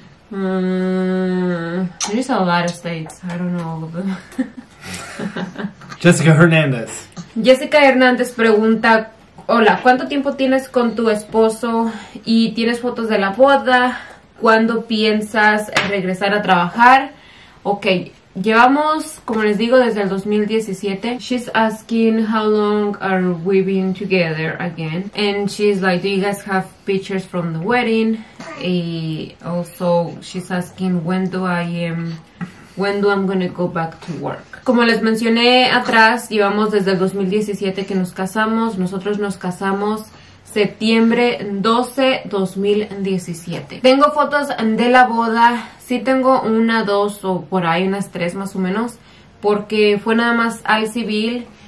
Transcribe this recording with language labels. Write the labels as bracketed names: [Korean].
[English] There's a lot of states. I don't know all of them. [Spanish] Jessica Hernández. Jessica Hernández pregunta, hola, ¿cuánto tiempo tienes con tu esposo y tienes fotos de la boda? ¿Cuándo piensas regresar a trabajar? Ok, llevamos, como les digo, desde el 2017. [English] She's asking how long are we been together again. And she's like, do you guys have pictures from the wedding? Y also, she's asking when I'm gonna go back to work. [Spanish] Como les mencioné atrás, llevamos desde el 2017 que nos casamos. Nosotros nos casamos septiembre 12, 2017. Tengo fotos de la boda. Sí tengo una, dos o por ahí unas tres más o menos, porque fue nada más al civil.